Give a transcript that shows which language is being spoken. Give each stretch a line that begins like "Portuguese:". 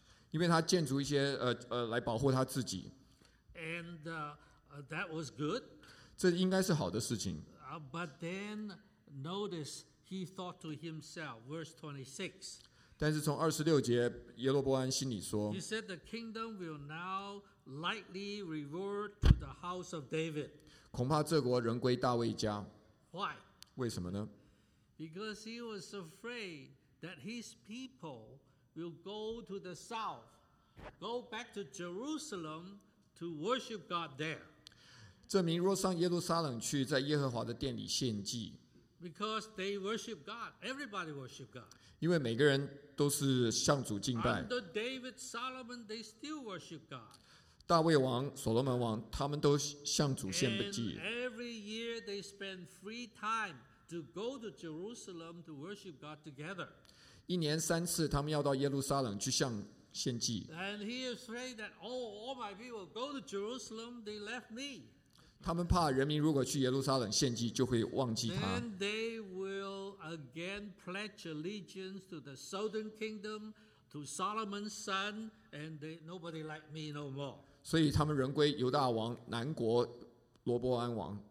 Chinese: 因为他建筑一些来保护他自己。
English: And that was good.
Chinese: 这应该是好的事情。
English: But then notice he thought to himself, verse 26.
Chinese: 但是从26节耶罗伯安心里说。
English: He said the kingdom will now lightly revert to the house of David.
Chinese: 恐怕这国仍归大卫家。
English: Why?
Chinese: 为什么呢？
English: Because he was afraid that his people will go to the south, go back to Jerusalem to worship God there.
Chinese: 这民若上耶路撒冷去，在耶和华的殿里献祭。
English: Because they worship God, everybody worship God.
Chinese: 因为每个人都是向主敬拜。
English: Under David, Solomon, they still worship God.
Chinese: 大卫王、所罗门王，他们都向主献祭。
English: And every year they spend free time to go to Jerusalem to worship God together.
Chinese: 一年三次他们要到耶路撒冷去向献祭。
English: And he is afraid that, oh, all my people go to Jerusalem, they left me.
Chinese: 他们怕人民如果去耶路撒冷献祭就会忘记他。
English: Then they will again pledge allegiance to the southern kingdom, to Solomon's son, and nobody like me no more.
Chinese: 所以他们仍归犹大王南国罗伯安王。